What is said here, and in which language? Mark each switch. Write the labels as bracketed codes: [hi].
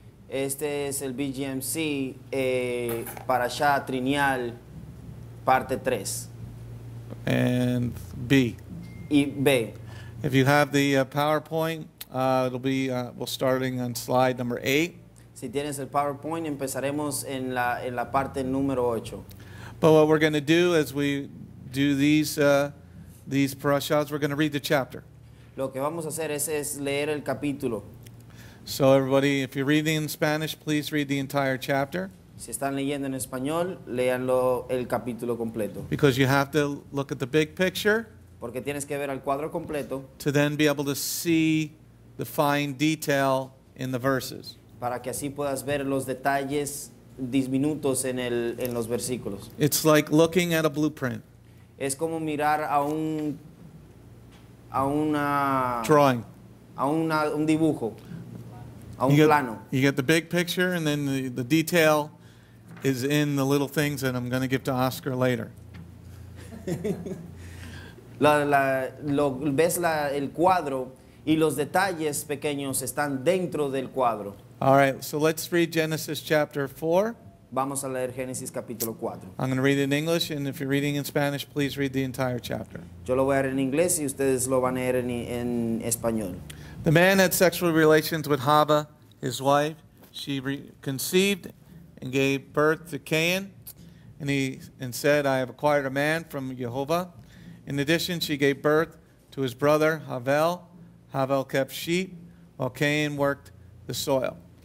[es] Este es el BGMC Parasha Triennial parte 3. [en] And B. [es] Y B. [en] If you have the PowerPoint, it'll be we'll starting on slide number 8. [es] Si tienes el PowerPoint, empezaremos en la parte número 8. [en] But what we're going to do as we do these parashas, we're going to read the chapter. [es] Lo que vamos a hacer es leer el capítulo. [en] So everybody, if you're reading in Spanish, please read the entire chapter. [es] Si están leyendo en español, léanlo el capítulo completo. [en] Because you have to look at the big picture. [es] Porque tienes que ver al cuadro completo. [en] To then be able to see the fine detail in the verses. [es] Para que así puedas ver los detalles disminutos en los versículos. [en] It's like looking at a blueprint. [es] Es como mirar a una [en] drawing. [es] Un dibujo. Plano. [en] You get the big picture, and then the detail is in the little things that I'm going to give to Oscar later. [es] ves el cuadro y los detalles pequeños están dentro del cuadro. [en] All right, so let's read Genesis chapter 4. [es] Vamos a leer Génesis capítulo 4. [en] I'm going to read it in English, and if you're reading in Spanish, please read the entire chapter. [es] Yo lo voy a leer en inglés y ustedes lo van a leer en español. [en] The man had sexual relations with Havah, his wife. She conceived and gave birth to Kayin, and said, I have acquired a man from YEHOVAH. In addition, she gave birth to his brother, Havel. Havel kept sheep, while Kayin worked the soil.